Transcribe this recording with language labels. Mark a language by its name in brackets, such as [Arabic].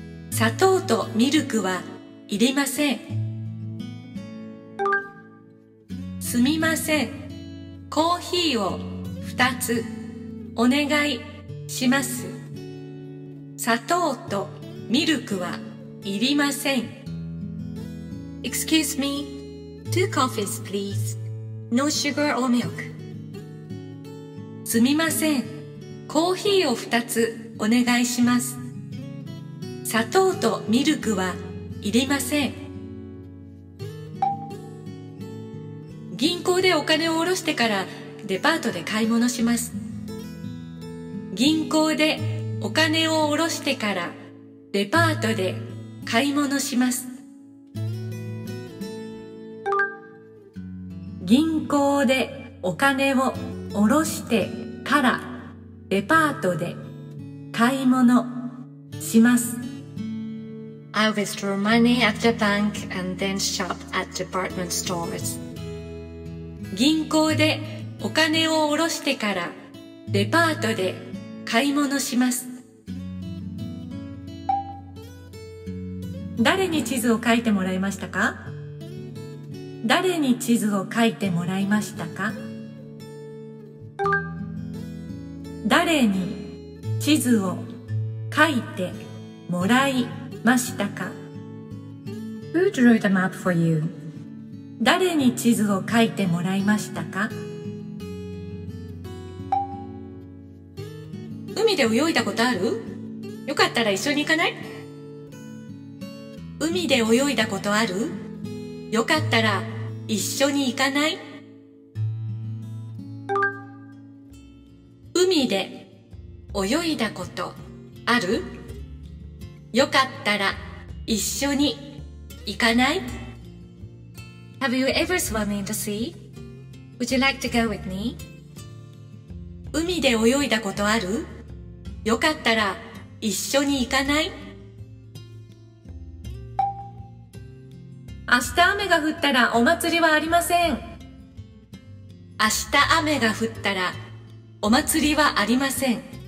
[Japanese] 砂糖とミルクはいりません。すみません、コーヒーを2つお願いします。砂糖とミルクはいりません。 [English] Excuse me, two coffees please, no sugar or milk. [Japanese] すみません、コーヒーを2つお願いします。砂糖とミルクはいりません。銀行でお金を下ろしてからデパートで買い物します。銀行でお金を下ろしてからデパートで買い物します。銀行でお金を下ろしてからデパートで買い物します。 [English] I'll withdraw money at the bank and then shop at department stores. [Japanese] 銀行でお金を下ろしてからデパートで買い物します。誰に地図を描いてもらいましたか？誰に地図を描いてもらいましたか？誰に地図を描いてもらいましたか？ [English] Who drew the map for you? [Japanese] 誰に地図を描いてもらいましたか？海で泳いだことある？よかったら一緒に行かない？海で泳いだことある？よかったら一緒に行かない？海で泳いだことある？よかったら一緒に行かない？ [English] Have you ever swum in the sea? Would you like to go with me? [Japanese] 海で泳いだことある？よかったら一緒に行かない？明日雨が降ったらお祭りはありません。明日雨が降ったらお祭りはありません。